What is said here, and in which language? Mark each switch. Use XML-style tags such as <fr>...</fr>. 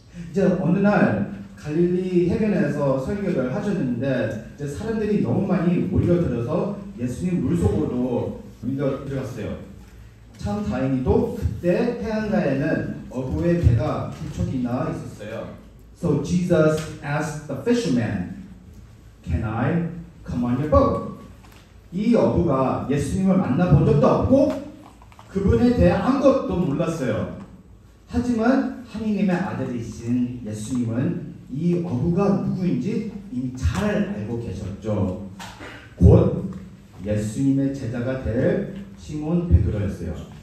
<ko>이제 어느 날 갈릴리 해변에서 설교를 하셨는데 이제 사람들이 너무 많이 몰려들어서 예수님 물속으로 밀려들었어요. 참 다행히도 그때 해안가에는 어부의 배가 두 척이나 있었어요.</ko> <en>So Jesus asked the fisherman, Can I come on your boat?</en> <ko>이 어부가 예수님을 만나본 적도 없고 그분에 대해 아무것도 몰랐어요. 하지만 하느님의 아들이신 예수님은 이 어부가 누구인지 이미 잘 알고 계셨죠. 곧 예수님의 제자가 될 시몬 베드로였어요.</ko>